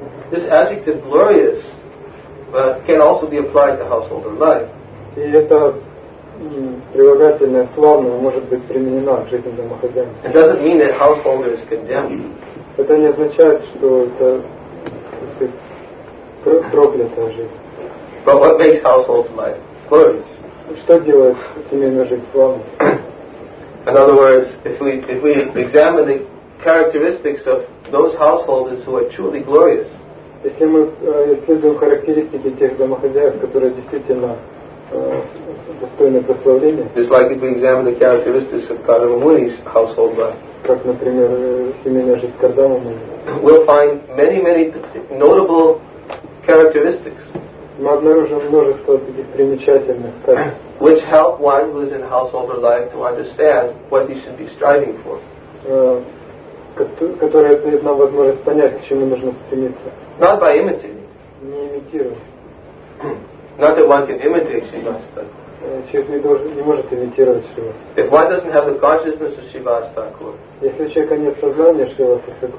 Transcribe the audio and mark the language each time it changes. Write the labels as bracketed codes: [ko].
[en] this adjective glorious can also be applied to householder life. [ru] И это прилагательное славное может быть применено к жизни домохозяйки. [en] It doesn't mean that householder is condemned. [ru] Это не означает, что это проклятая жизнь. [en] But what makes household life glorious? [ru] Что делает семейную жизнь славной? [en] In other words, if we examine the characteristics of those householders who are truly glorious, [ru] если мы исследуем характеристики тех домохозяев, которые действительно достойны прославления, [en] just like if we examine the characteristics of Kardama Muni's household life, [ru] как, например, семейная жизнь Кардама Муни, [en] we'll find many notable characteristics. [ru] Мы обнаружим множество таких примечательных качеств, [en] which help one who is in householder life to understand what he should be striving for. [ru] Которые дают нам возможность понять, к чему нужно стремиться. [en] Not by imitating. [ru] Не имитируя. [en] Not that one can imitate Shivastha. [ru] Человек не может имитировать Шривастаку. [en] If one doesn't have the consciousness of Shivastaku, [ru] если у человека нет сознания Шривастаку,